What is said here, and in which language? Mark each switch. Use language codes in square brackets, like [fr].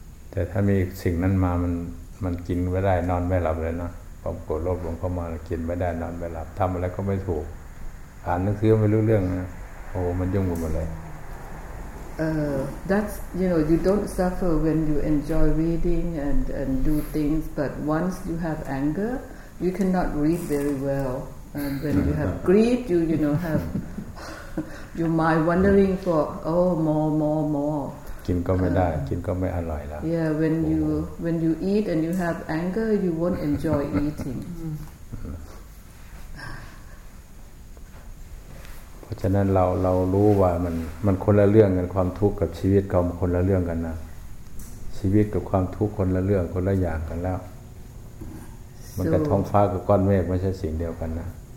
[th] แต่ถ้ามีสิ่งนั้นมามันกินไม่ได้นอนไม่หลับเลยนะความโกรธโลภหลงเข้ามากินไม่ได้นอนไม่หลับทำอะไรก็ไม่ถูกอ่านหนังสือไม่รู้เรื่องนะโอ้มันยุ่งหมดเลย [en] That's you know you don't suffer when you enjoy reading and do things, but once you have anger, you cannot read very well. And when you have greed, you know have your mind wandering for oh more. [th] กินก็ไม่ได้กินก็ไม่อร่อยแล้ว [en] Yeah, when you eat and you have anger, you won't enjoy eating. [th] ฉะนั้นเรารู้ว่ามันคนละเรื่องกันความทุกข์กับชีวิตเขาคนละเรื่องกันนะชีวิตกับความทุกข์คนละเรื่องคนละอย่างกันแล้ว [en] so, [th] มันกับท้องฟ้ากับก้อนเมฆไม่ใช่สิ่งเดียวกันนะ